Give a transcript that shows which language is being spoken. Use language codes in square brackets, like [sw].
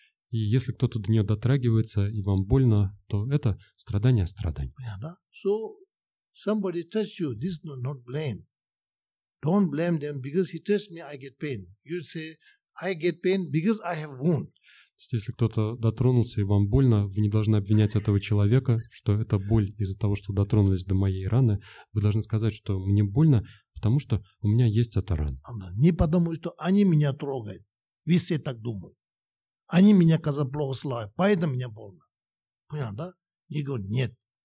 [ru] И если кто-то до нее дотрагивается и вам больно, то это страдание страданий. [en] So somebody touch you, this is not blame. Don't blame them because he touched me, I get pain. You say I get pain because I have wound. [ru] То есть если кто-то дотронулся и вам больно, вы не должны обвинять этого человека, что это боль из-за того, что дотронулись до моей раны. Вы должны сказать, что мне больно, потому что у меня есть эта рана. Не потому, что они меня трогают. Вы все так думают. Они меня, казалось, плохо славят, поэтому мне больно. Понял, да? Я говорю, нет.